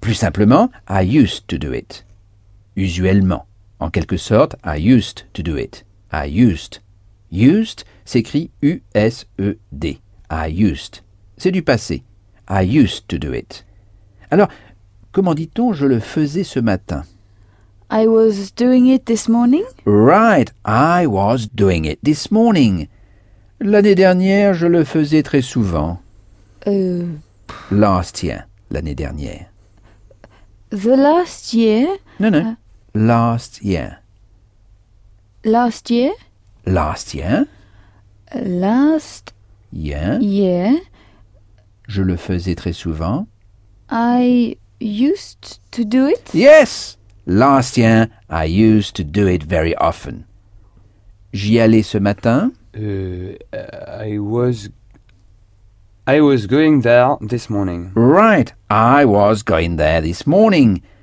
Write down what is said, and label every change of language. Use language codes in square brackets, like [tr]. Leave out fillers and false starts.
[fr] Plus simplement, « [en] I used to do it [fr] ». Usuellement, en quelque sorte, « I used to do it ». « [en] I used [fr] ». « Used » s'écrit U-S-E-D. « [en] I used [fr] ». C'est du passé. « [en] I used to do it ». [fr] Alors, comment dit-on « je le faisais ce matin » ? [en] I was doing it this morning. Right, I was doing it this morning. [fr] L'année dernière, je le faisais très souvent. [en] Last year, [fr] l'année dernière. [en] The last year? Non. Last year. Last year? Last year. Last year. Year. [fr] Je le faisais très souvent. [en] I used to do it. Yes! Last year, I used to do it very often. [fr] J'y allais ce matin. [en] I was going there this morning. Right, I was going there this morning.